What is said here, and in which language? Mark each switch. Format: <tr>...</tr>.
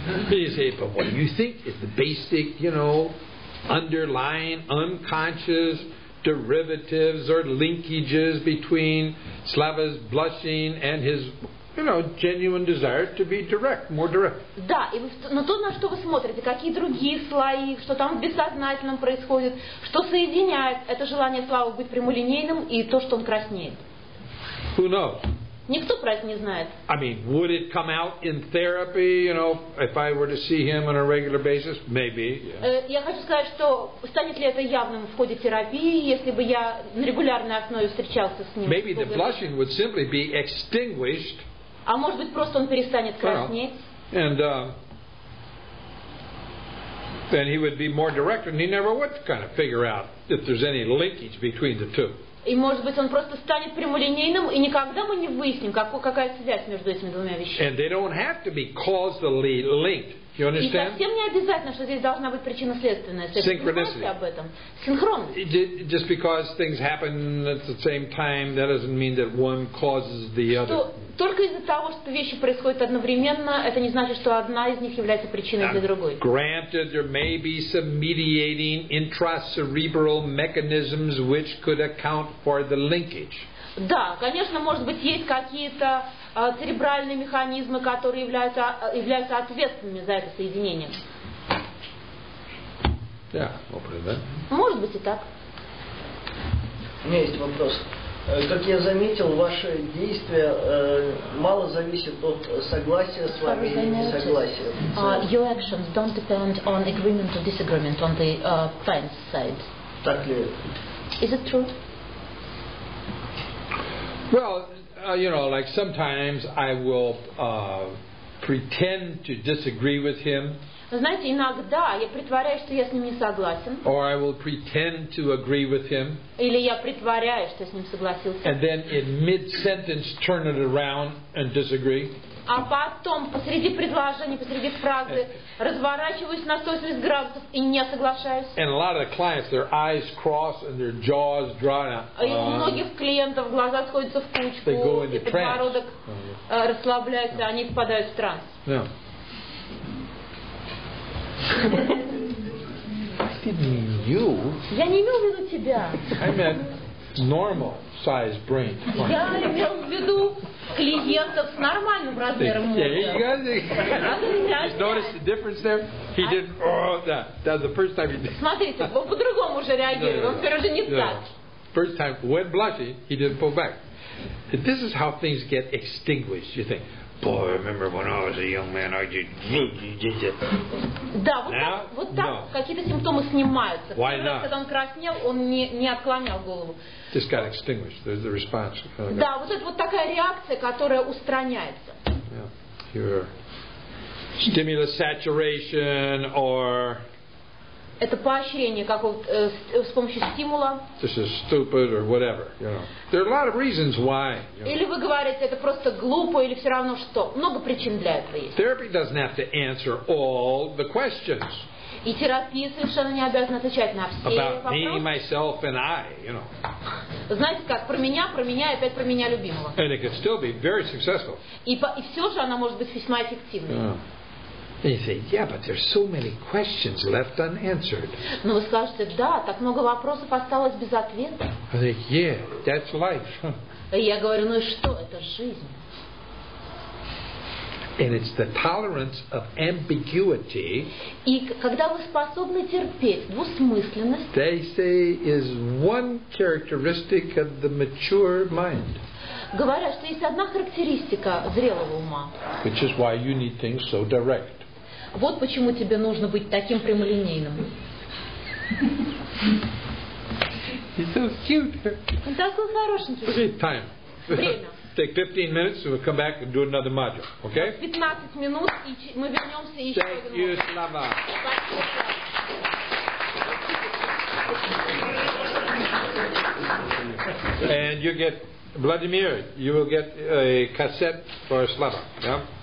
<en>You say, but what do you think is the basic, you know, underlying unconscious derivatives or linkages between Slava's blushing and his, you know, genuine desire to be direct, more direct.</en> <ru>Да, и вы, но то, на что вы смотрите, какие другие слои, что там в бессознательном происходит, что соединяет это желание Славы быть прямолинейным и то, что он краснеет.</ru> <en>Who knows?</en> <ru>Никто про это не знает.</ru> <en>I mean, would it come out in therapy, you know, if I were to see him on a regular basis? Maybe. Yeah.</en> <ru>Я хочу сказать, что станет ли это явным в ходе терапии, если бы я на регулярной основе встречался с ним?</ru> <en>Maybe the blushing would simply be extinguished.</en> <ru>А может быть, просто он перестанет краснеть?</ru> <en>And then he would be more direct, and he never would kind of figure out if there's any linkage between the two.</en> <ru>И может быть, он просто станет прямолинейным, и никогда мы не выясним, какая связь между этими двумя вещами.</ru> <en>And they don't have to be causally linked. You understand?</en> <ru>И совсем не обязательно, что здесь должна быть причинно-следственная связь.</ru> <en>Synchronicity.</en> <ru>Об этом. Синхронность.</ru> <en>Just because things happen at the same time, that doesn't mean that one causes the other.</en> <ru>Что только из-за того, что вещи происходят одновременно, это не значит, что одна из них является причиной для другой.</ru> <en>Granted, there may be some mediating intracerebral mechanisms which could account for the linkage.</en> <ru>Да, конечно, может быть, есть какие-то церебральные механизмы, которые являются ответственными за это соединение. Да, вопрос, да? Может быть и так. У меня есть вопрос. Как я заметил, ваши действия мало зависят от согласия с вами или несогласия.</ru> <en>Your actions don't depend on agreement or disagreement on the client's side.</en> <ru>Так ли?</ru> <en>Is it true? Well, you know, like sometimes I will pretend to disagree with him.</en> <ru>Знаете, иногда я притворяюсь, что я с ним не согласен.</ru> <en>Or I will pretend to agree with him.</en> <ru>Или я притворяюсь, что с ним согласился.</ru> <en>And then in mid-sentence turn it around and disagree.</en> <ru>А потом посреди предложения, посреди фразы разворачиваюсь на 180 градусов и не соглашаюсь.</ru> <en>And a lot of the clients, their eyes cross and their jaws drawn out.</en> <ru>И у многих клиентов глаза сходятся в кучку,</ru> <en>they go into</en> <ru>и подбородок расслабляется, они впадают в транс.</ru> <en>Yeah. I didn't mean you.</en> <ru>Я не имел в виду тебя.</ru> <en>I meant normal size brain.</en> <ru>Я имел в виду клиентов с нормальным размером мозга.</ru> <en>Yeah, you guys. Notice the difference there? He didn't. That was the first time he did.</en> <ru>Смотрите, он по-другому уже реагирует. Он теперь уже не так.</ru> <en>First time, when blushing, he didn't pull back. This is how things get extinguished. You think? Boy, I remember when I was a young man, I just.</en> <ru>Да, вот так какие-то симптомы снимаются.</ru> <en>Why not?</en> <ru>Когда он краснел, он не отклонял голову.</ru> <en>Just got extinguished. There's the response.</en> <ru>Да, вот это вот такая реакция, которая устраняется.</ru> <en>Yeah, your stimulus saturation or.</en> <ru>Это поощрение какого-то с помощью стимула.</ru> <en>This is stupid or whatever, you know. There are a lot of reasons why. You know.</en> <ru>Или вы говорите, это просто глупо, или все равно что. Много причин для этого есть.</ru> <en>Therapy doesn't have to answer all the questions.</en> <ru>И терапия совершенно не обязана отвечать на все вопросы.</ru> <en>About me, myself, and I, you know.</en> <ru>Знаете как, про меня и опять про меня любимого.</ru> <en>And it could still be very successful.</en> <ru>И все же она может быть весьма эффективной.</ru> <en>Yeah. And you say, yeah, but there's so many questions left unanswered.</en> <ru>Но вы скажете, да, так много вопросов осталось без ответа.</ru> <en>I think, yeah, that's life.</en> <ru>Я говорю, ну и что, это жизнь.</ru> <en>And it's the tolerance of ambiguity.</en> <ru>И когда вы способны терпеть двусмысленность.</ru> <en>They say is one characteristic of the mature mind.</en> <ru>Говорят, что есть одна характеристика зрелого ума.</ru> <en>Which is why you need things so direct.</en> <ru>Вот почему тебе нужно быть таким прямолинейным.</ru> <en>He's so cute.</en> <ru>Он такой хорошенький.</ru> <en>Okay, time.</en> <ru>Время.</ru> <en>Take 15 minutes and we'll come back and do another module. Okay?</en> <ru>15 минут и мы вернемся и еще один</ru> <en>Thank you, Слава. And you get Vladimir, you will get a cassette for Slava. Yeah?</en>